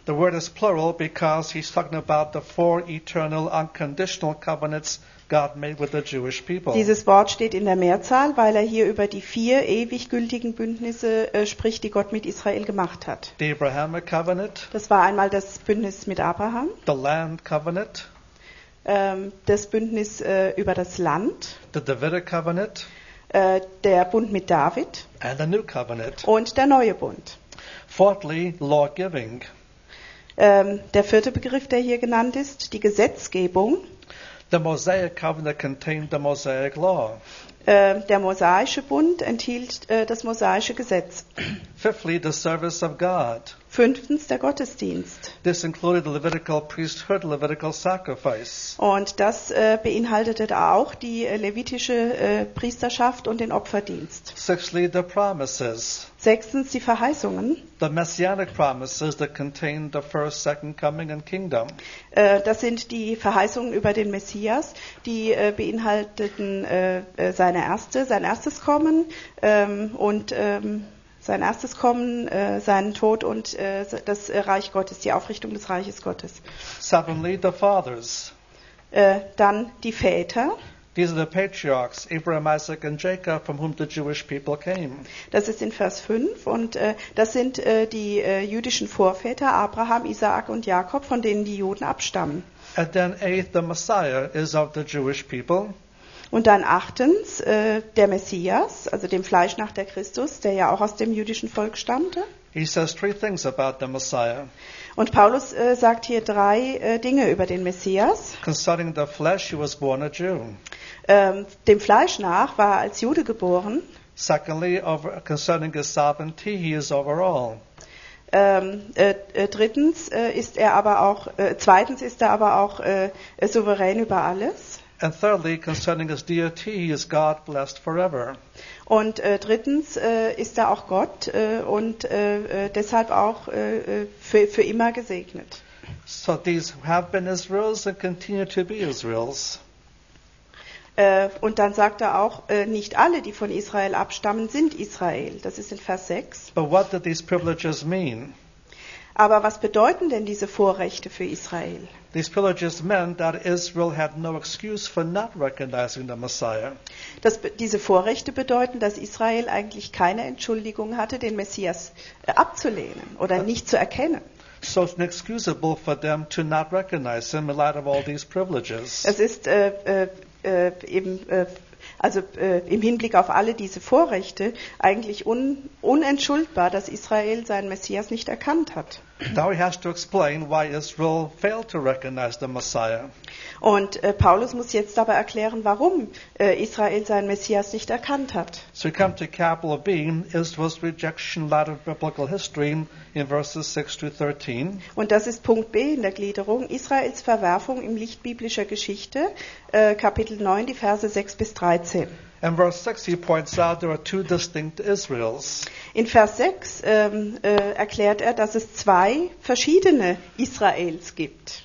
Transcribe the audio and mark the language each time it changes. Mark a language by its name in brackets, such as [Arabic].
[English] The word is plural because he's talking about the 4 eternal unconditional covenants God made with the Jewish people. [German] Dieses Wort steht in der Mehrzahl, weil er hier über die 4 ewig gültigen Bündnisse spricht, die Gott mit Israel gemacht hat. [English] The Abrahamic covenant. [German] Das war einmal das Bündnis mit Abraham. [English] The land covenant. [German] Das Bündnis über das Land. [English] The Davidic covenant. [German] Der Bund mit David [English] and the new covenant. [German] Und der neue Bund. [English] Fourthly, law giving. [German] Der vierte Begriff, der hier genannt ist, die Gesetzgebung. [English] The Mosaic covenant contained the Mosaic law. [German] Der mosaische Bund enthielt das mosaische Gesetz. [English] Fifthly, the service of God. [German] Fünftens, der Gottesdienst. [English] This included the Levitical priesthood, Levitical sacrifice. [German] Und das beinhaltete auch die levitische Priesterschaft und den Opferdienst. [English] Sixthly, the promises. [German] Sechstens, die Verheißungen. [English] The messianic promises that contain the first, second coming and kingdom. [German] Das sind die Verheißungen über den Messias, die beinhalteten sein erstes Kommen und sein erstes Kommen, seinen Tod und das Reich Gottes, die Aufrichtung des Reiches Gottes. [English] Suddenly the fathers. [German] Dann die Väter. [English] These are the patriarchs, Abraham, Isaac and Jacob, from whom the Jewish people came. [German] Das ist in Vers 5 und das sind die jüdischen Vorväter, Abraham, Isaak und Jakob, von denen die Juden abstammen. [English] And then eighth, the Messiah is of the Jewish people. [German] Und dann achtens, der Messias, also dem Fleisch nach der Christus, der ja auch aus dem jüdischen Volk stammte. [English] He says 3 things about the Messiah. [German] Und Paulus sagt hier 3 Dinge über den Messias. [English] Concerning the flesh, he was born a Jew. [German] dem Fleisch nach, war er als Jude geboren. [English] Secondly, concerning his sovereignty, he is over all. [German] Zweitens ist er aber auch souverän über alles. [English] And thirdly, concerning his deity, he is God blessed forever. [German] Und drittens ist er auch Gott und deshalb auch für immer gesegnet. [English] So these have been Israels and continue to be Israels. [German] Und dann sagt er auch, nicht alle, die von Israel abstammen, sind Israel. Das ist in Vers 6. [English] But what do these privileges mean? [German] Aber was bedeuten denn diese Vorrechte für Israel? [English] These privileges meant that Israel had no excuse for not recognizing the Messiah. [German] Diese Vorrechte bedeuten, dass Israel eigentlich keine Entschuldigung hatte, den Messias abzulehnen oder nicht zu erkennen. [English] So it's inexcusable for them to not recognize him in light of all these privileges. [German] Es ist im Hinblick auf alle diese Vorrechte eigentlich unentschuldbar, dass Israel seinen Messias nicht erkannt hat. [English] Now he has to explain why Israel failed to recognize the Messiah. [German] Und Paulus muss jetzt aber erklären, warum Israel seinen Messias nicht erkannt hat. [English] So we come to capital B, Israel's rejection led of biblical history in verses 6 to 13. [German] Und das ist Punkt B in der Gliederung, Israels Verwerfung im Licht biblischer Geschichte, Kapitel 9, die Verse 6 bis 13. [English] In verse 6 he points out there are two distinct Israels. [German] In Vers 6 erklärt er, dass es zwei verschiedene Israels gibt.